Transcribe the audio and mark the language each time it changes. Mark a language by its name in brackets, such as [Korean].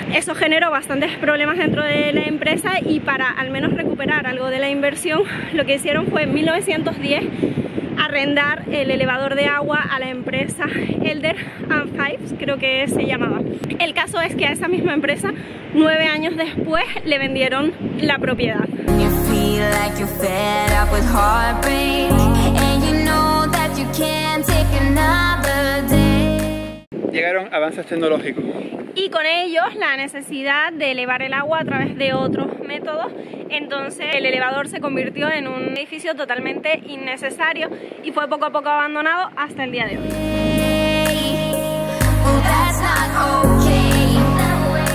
[Spanish] Eso generó bastantes problemas dentro de la empresa y para al menos recuperar algo de la inversión, lo que hicieron fue en 1910 arrendar el elevador de agua a la empresa Elder & Fives, creo que se llamaba. El caso es que a esa misma empresa, 9 años después, le vendieron la propiedad. [English] Like you're fed up with heartbreak, and you know that you can't take another day. [Spanish] Llegaron avances tecnológicos y con ellos la necesidad de elevar el agua a través de otros métodos. Entonces el elevador se convirtió en un edificio totalmente innecesario y fue poco a poco abandonado hasta el día de hoy. [English] Hey, well, that's not okay.